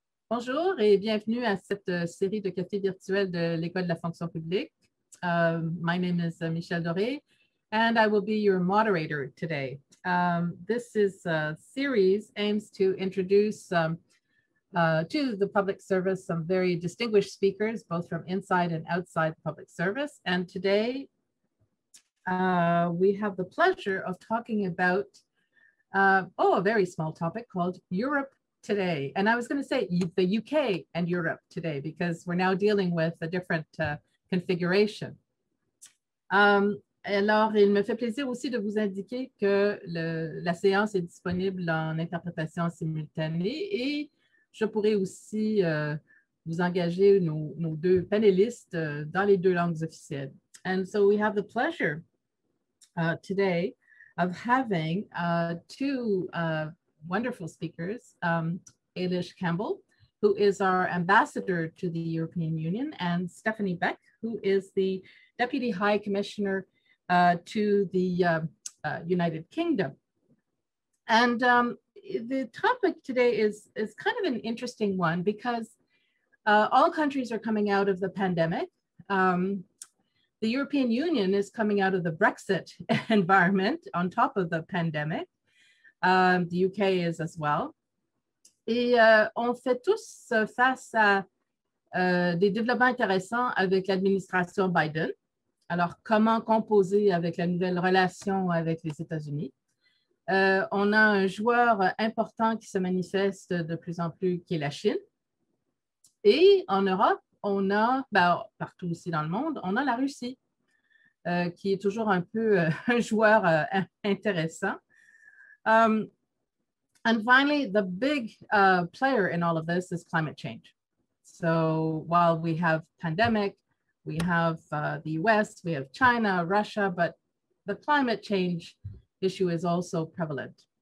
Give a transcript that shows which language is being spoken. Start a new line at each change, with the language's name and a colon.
French: Bonjour et bienvenue à cette série de cafés virtuels de l'École de la fonction publique.
English: My name is Michelle Doré, and I will be your moderator today. This series aims to introduce to the public service some very distinguished speakers, both from inside and outside the public service. And today, we have the pleasure of talking about a very small topic called Europe Today. And I was going to say the UK and Europe today, because we're now dealing with a different configuration.
French: Alors, il me fait plaisir aussi de vous indiquer que la séance est disponible en interprétation simultanée et je pourrai aussi vous engager nos deux panélistes dans les deux langues officielles.
English: And so we have the pleasure today of having two wonderful speakers, Ailish Campbell, who is our ambassador to the European Union, and Stefanie Beck, who is the Deputy High Commissioner to the United Kingdom. And the topic today is kind of an interesting one because all countries are coming out of the pandemic. The European Union is coming out of the Brexit environment on top of the pandemic. The UK is as well.
French: Et on fait tous face à des développements intéressants avec l'administration Biden. Alors, comment composer avec la nouvelle relation avec les États-Unis? On a un joueur important qui se manifeste de plus en plus, qui est la Chine. Et en Europe, on a, partout aussi dans le monde, on a la Russie, qui est toujours un peu un joueur intéressant.
English: And finally, the big player in all of this is climate change. So while we have pandemic, we have the US, we have China, Russia, but the climate change issue is also prevalent.